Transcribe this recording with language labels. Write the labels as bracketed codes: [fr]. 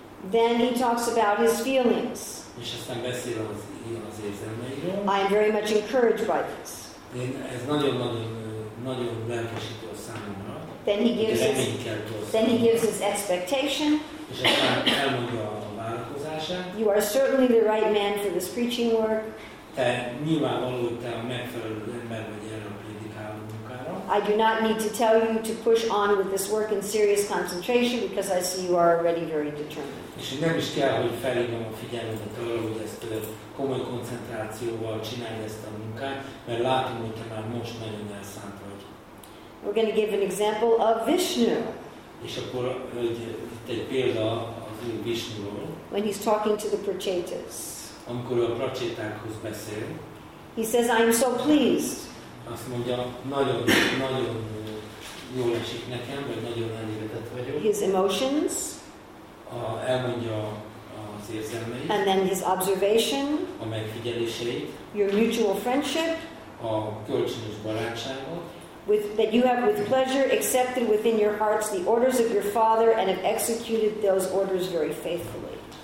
[en] Then he talks about his feelings. [hu] És aztán beszél az érzelmeiről. [en] I am very much encouraged by this. [hu] Én ez nagyon-nagyon lelkesítő a számomra. [en] Then he gives his expectation. [hu] És aztán elmondja a várakozását. [en] You are certainly the right man for this preaching work. [hu] Te nyilvánvaló, te a megfelelő ember vagy erre a prédikáló munkára. [en] I do not need to tell you to push on with this work in serious concentration, because I see you are already very determined. [hu] És nem is kell, hogy felhívom a figyelmet arra, hogy ezt komoly koncentrációval csinálj ezt a munkát, mert látom, hogy te már most nagyon elszánt vagy. [en] We're going to give an example of Vishnu. [hu] És akkor itt egy példa az ő Vishnu-ról. [en] When he's talking to the Prachetas. [hu] Amikor a pracsétákhoz beszél, [en] he says, I am so pleased. [hu] Azt mondja, nagyon, nagyon jól esik nekem, vagy nagyon elégedett vagyok. [en] His emotions. [hu] Elmondja az érzelmeit. [en] And then his observation. [hu] A megfigyeléseit. [en] Your mutual friendship. [hu] A kölcsönös barátságot. [en] That you have with pleasure accepted within your hearts the orders of your father and have executed those orders very faithfully.